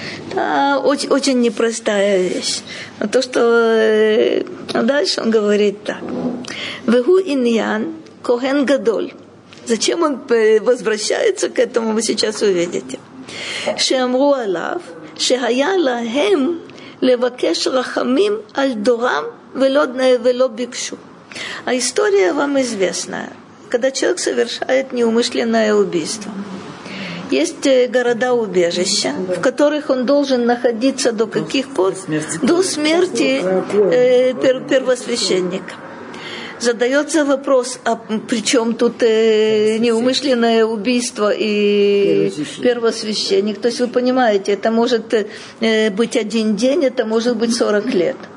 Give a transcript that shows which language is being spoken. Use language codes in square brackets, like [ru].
[ru] Это очень, очень непростая вещь. Но то, что дальше он говорит так. [he] «Вегу иньян коген гадоль». [ru] Зачем он возвращается к этому, вы сейчас увидите. [he] «Шеамру алав». שהיה להם לבקש רחמים על דורם ולא ביקשו. [ru] ההיסטוריה вам известна. Когда человек совершает неумышленное убийство, есть города-убежища, в которых он должен находиться до каких пор? До смерти первосвященника. Задается вопрос, а при чем тут неумышленное убийство и первосвященник? То есть вы понимаете, это может быть один день, это может быть 40 лет.